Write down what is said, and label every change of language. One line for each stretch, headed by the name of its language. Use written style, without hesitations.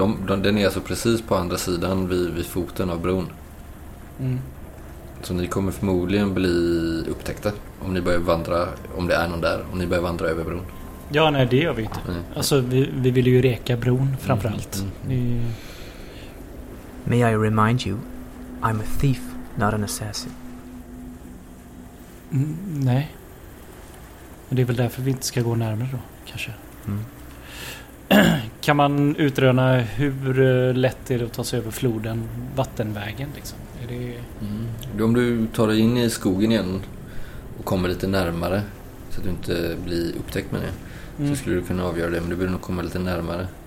Swedish: Den är alltså precis på andra sidan vid foten av bron. Så ni kommer förmodligen bli upptäckta om ni börjar vandra, om det är någon där, om ni börjar vandra över bron. Ja, nej, det gör vi inte. Alltså, vi vill ju reka bron framförallt.
English: May I remind you, I'm a thief, not an assassin.
Swedish: Nej. Men det är väl därför vi inte ska gå närmare då, kanske. Kan man utröna hur lätt det är att ta sig över floden, vattenvägen liksom? Är det... Om du tar dig in i skogen igen och kommer lite närmare så att du inte blir upptäckt med det, så skulle du kunna avgöra det, men du borde nog komma lite närmare.